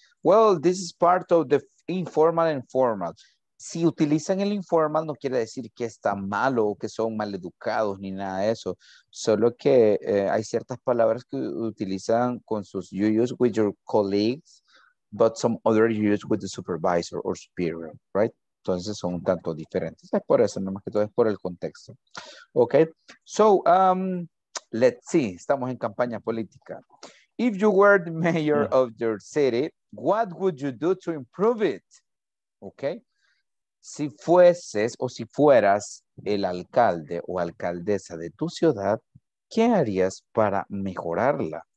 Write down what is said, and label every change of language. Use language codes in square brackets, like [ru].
[en] Well, this is part of the informal and formal. [es] Si utilizan el informal, no quiere decir que está malo o que son mal educados ni nada de eso. Solo que hay ciertas palabras que utilizan con sus, [en] you use with your colleagues, but some other you use with the supervisor or superior, right? [es] Entonces son un tanto diferentes. Es por eso, nomás que todo es por el contexto. [en] Ok. So, let's see. [es] Estamos en campaña política. [en] If you were the mayor of your city, what would you do to improve it? Ok. [es] Si fueses o si fueras el alcalde o alcaldesa de tu ciudad, ¿qué harías para mejorarla?